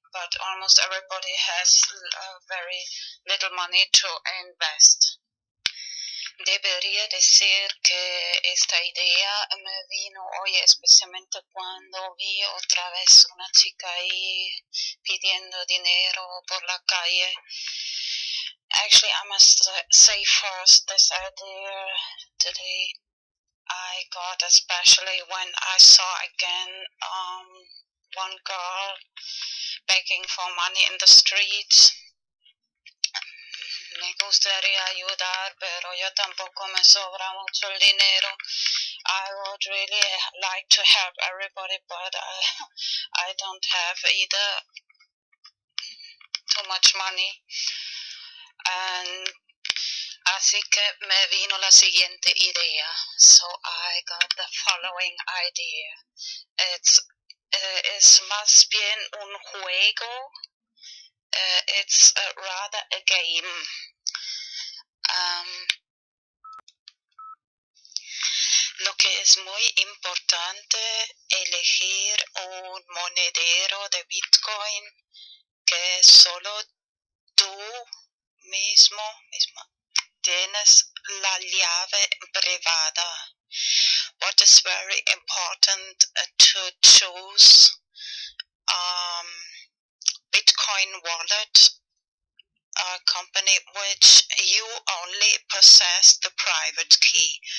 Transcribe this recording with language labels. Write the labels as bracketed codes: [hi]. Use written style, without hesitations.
[en] But almost everybody has very little money to invest. [es] Debería decir que esta idea me vino hoy, especialmente cuando vi otra vez una chica ahí pidiendo dinero por la calle. [en] Actually, I must say first this idea today I got, especially when I saw again one girl begging for money in the streets. [es] Me gustaría ayudar, pero yo tampoco me sobra mucho el dinero. [en] I would really like to help everybody, but I don't have either too much money. And [es] así que me vino la siguiente idea. [en] So I got the following idea. It's [es] más bien un juego. [en] It's rather a game. [es] Lo que es muy importante, elegir un monedero de Bitcoin que solo tú mismo tienes la llave privada. [en] What is very important to choose Bitcoin wallet, a company which you only possess the private key.